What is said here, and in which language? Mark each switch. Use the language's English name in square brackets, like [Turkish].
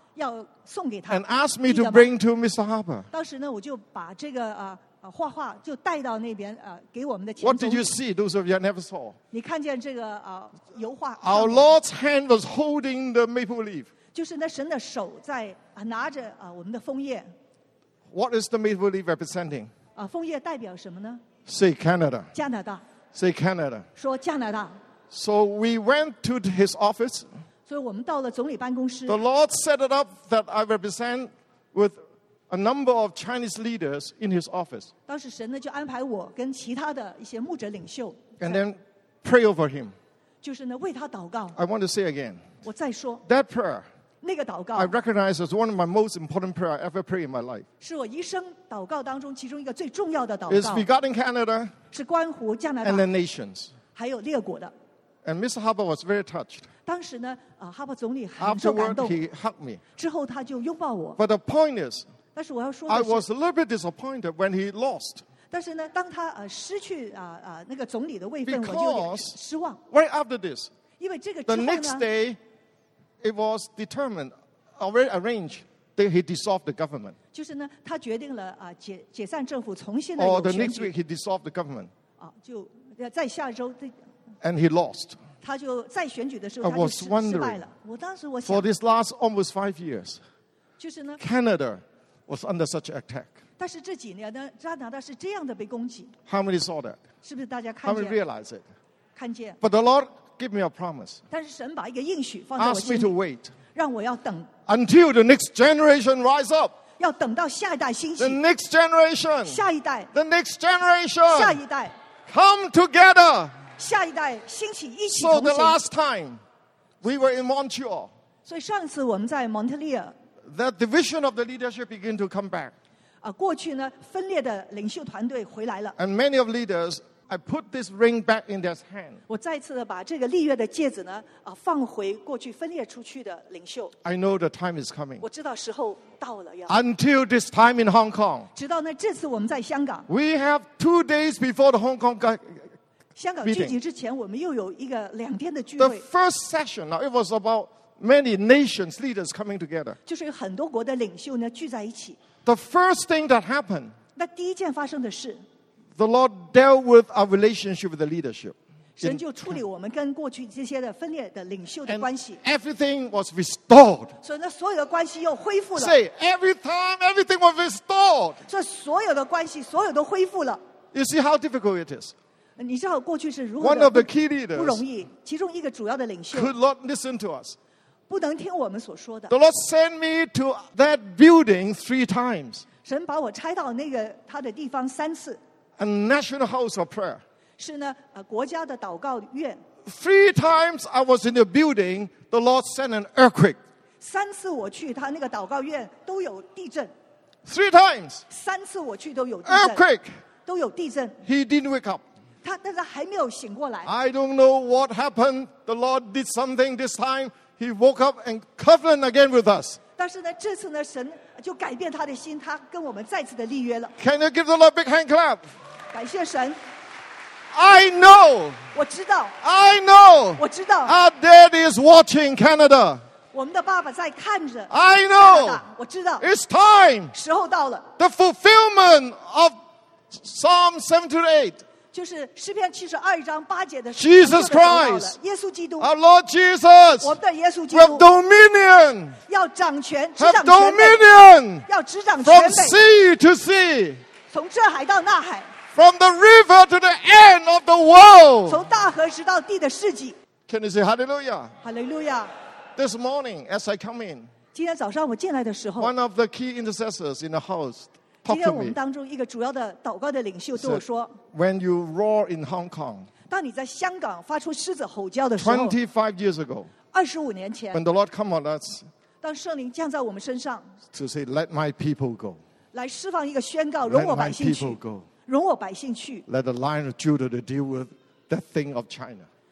[Chinese] 要送给他 [English] and asked me to bring to Mr. Harper. [Chinese] 当时呢，我就把这个画画就带到那边给我们的前总理。 [English] What did you see? Those of you never saw. [Chinese] 你看见这个油画 [English] ？Our Lord's hand was holding the maple leaf. [Chinese] 就是那神的手在拿着我们的枫叶。 [English] What is the maple leaf representing? [Chinese] 枫叶代表什么呢 [English] ？Say Canada. [Chinese] 加拿大。 [English] Say Canada. [Chinese] 说加拿大。 [English] So we went to his office. [Chinese] 所以我们到了总理办公室。 [English] The Lord set it up that I represent with a number of Chinese leaders in His office. [Chinese] 当时神呢就安排我跟其他的一些牧者领袖。 [English] And then pray over him. [Chinese] 就是呢为他祷告。 [English] I want to say again. [Chinese] 我再说。 [English] That prayer. [Chinese] 那个祷告。 [English] I recognize as one of my most important prayer I ever pray in my life. [Chinese] 是我一生祷告当中其中一个最重要的祷告。 [English] Is regarding Canada. [Chinese] 是关乎加拿大。 [English] And the nations. [Chinese] 还有列国的。 [English] And Mr. Harper was very touched. [Chinese] 当时呢，哈珀总理很受感动。 [English] Afterward, he hugged me. [Chinese] 之后他就拥抱我。 [English] But the point is, [Chinese] 但是我要说的 [English] 是 I was a little bit disappointed when he lost. [Chinese] 但是呢，当他失去那个总理的位分， [English] Because、 [Chinese] 我就有点失望。 [English] Right after this, [Chinese] 因为这个之后呢 [English] the next day, it was determined, already arranged that he dissolved the government. [Chinese] 就是呢，他决定了解散政府，重新的有选举。 [English] Or the next week, he dissolved the government. [Chinese] 就在下周的。 [English] And he lost. [Chinese] 他就在选举的时候，他就失败了。我当时我想 [English] ，for this last almost 5 years, [Chinese] 就是呢 [English] ，Canada was under such attack. [Chinese] 但是这几年呢，加拿大是这样的被攻击。 [English] How many saw that? [Chinese] 是不是大家看见 [English] ？How many realize it? [Chinese] 看见。 [English] But the Lord gave me a promise. [Chinese] 但是神把一个应许放在我心里。 [English] Ask me to wait. [Chinese] 让我要等。 [English] Until the next generation rise up. [Chinese] 要等到下一代兴起。 [English] The next generation. [Chinese] 下一代。 [English] The next generation. [Chinese] 下一代。 [English] Come together. [Chinese] 下一代兴起，一起同行。 [English] So the last time we were in Montreal. [Chinese] 所以上次我们在蒙特利尔。 [English] The division of the leadership began to come back. [Chinese] 过去呢，分裂的领袖团队回来了。 [English] And many of leaders, I put this ring back in their hand. [Chinese] 我再次把这个立约的戒指呢，放回过去分裂出去的领袖。 [English] I know the time is coming. [Chinese] 我知道时候到了要。 [English] Until this time in Hong Kong. [Chinese] 直到呢，这次我们在香港。 [English] We have 2 days before the Hong Kong guy. [Chinese] 香港聚集之前，我们又有一个两天的聚会。 [English] The first session, now it was about many nations leaders coming together. [Chinese] 就是有很多国的领袖呢聚在一起。 [English] The first thing that happened. [Chinese] 那第一件发生的事。 [English] The Lord dealt with our relationship with the leadership. [Chinese] 神就处理我们跟过去这些的分裂的领袖的关系。 [English] Everything was restored. [Chinese] 所以呢，所有的关系又恢复了。 [English] Say every time, everything was restored. [Chinese] 所以所有的关系，所有都恢复了。 [English] You see how difficult it is. [Chinese] 你知道过去是如何 [English] 的 One of the key leaders [Chinese] 不容易，其中一个主要的领袖 [English] could not listen to us, [Chinese] 不能听我们所说的。 [English] The Lord sent me to that building 3 times. [Chinese] 神把我差到那个他的地方三次。 [English] A national house of prayer. [Chinese] 是呢，国家的祷告院。 [English] 3 times I was in the building, the Lord sent an earthquake. [Chinese] 三次我去他那个祷告院都有地震。 [English] 3 times. [Chinese] 3次我去都有地震。 [English] Earthquake. [Chinese] 都有地震。 [English] He didn't wake up. [Chinese] 他但是还没有醒过来。 [English] I don't know what happened. The Lord did something this time. He woke up and covenant again with us. [Chinese] 但是呢，这次呢，神就改变他的心，他跟我们再次的立约了。 [English] Can you give the Lord a big hand clap? [Chinese] 感谢神。 [English] I know. [Chinese] 我知道。 [English] I know. [Chinese] 我知道。 [English] Our dad is watching Canada. [Chinese] 我们的爸爸在看着。 [English] I know. [Chinese] 我知道。 [English] It's time. [Chinese] 时候到了。 [English] The fulfillment of Psalm 78. [Chinese] 就是诗篇七十二章八节的 [English] Jesus Christ, [Chinese] 耶稣基督 [English] ，Our Lord Jesus, [Chinese] 我们的耶稣基督 [English] ，Have dominion, [Chinese] 要掌权，执掌权 [English] ，Have dominion, [Chinese] 要执掌权 [English] ，From sea to sea, [Chinese] 从这海到那海 [English] ，From the river to the end of the world, [Chinese] 从大河直到地的世纪 [English] ，Can you say Hallelujah? Hallelujah. This morning, as I come in, [Chinese] 今天早上我进来的时候 [English] ，One of the key intercessors in the house. [Chinese] 今天我们当中一个主要的祷告的领袖对我说 [English] When you roar in Hong Kong [Chinese] 当你在香港发出狮子吼叫的时候 [English] 25 years ago [Chinese] 25年前 [English] When the Lord come on us [Chinese] 当圣灵降在我们身上 [English] To say let my people go [Chinese] 来释放一个宣告，容我百姓去。容我百姓去。 [English] Let the Lion of Judah to deal with the thing of China.